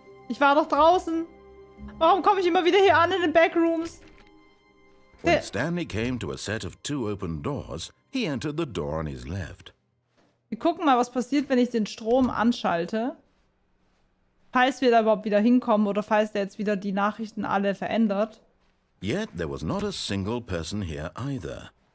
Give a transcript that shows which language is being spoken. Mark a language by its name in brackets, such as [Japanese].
[German] Ich war doch draußen. Warum komme ich immer wieder hier an in den Backrooms? [English] When Stanley came to a set of two open doors, he entered the door on his left. [German] Wir gucken mal, was passiert, wenn ich den Strom anschalte. Falls wir da überhaupt wieder hinkommen oder falls der jetzt wieder die Nachrichten alle verändert. [English] Yet there was not a single person here either.